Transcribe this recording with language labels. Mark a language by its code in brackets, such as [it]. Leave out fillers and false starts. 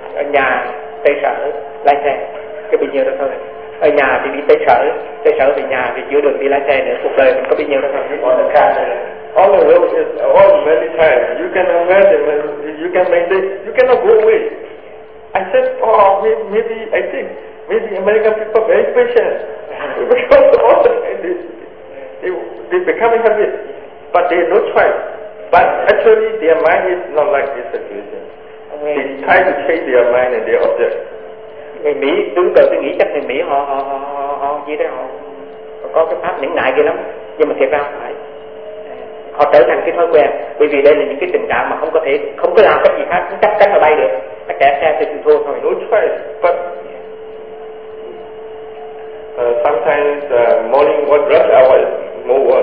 [vi] nhà tới sở lái xe, cái bao nhiêu đó thôi. Ở nhà thì đi tới sở, tới sở về nhà thì giữa đường đi lái xe nữa, cuộc đời mình có bao nhiêu đó thôi. [en] On the car, on the road, on many times, you can imagine, you can maintain, you cannot go away. I said, oh, maybe I think maybe American people are very patient because all they become happy, but they have no choice. But actually, their mind is not like this situation. They try to change their mind and their object. [vi] Người Mỹ đứng đầu tôi nghĩ chắc người Mỹ họ gì đấy, họ có cái pháp nhẫn nại kia lắm, nhưng mà thiệt ra không phải. Họ trở thành cái thói quen, bởi vì đây là những cái tình trạng mà không có thể, không có làm cái gì khác, cũng chắc chắn là bay được. Nó kẻ xe thì thua thôi. [en] No choice, but sometimes morning what rush hour is more worse.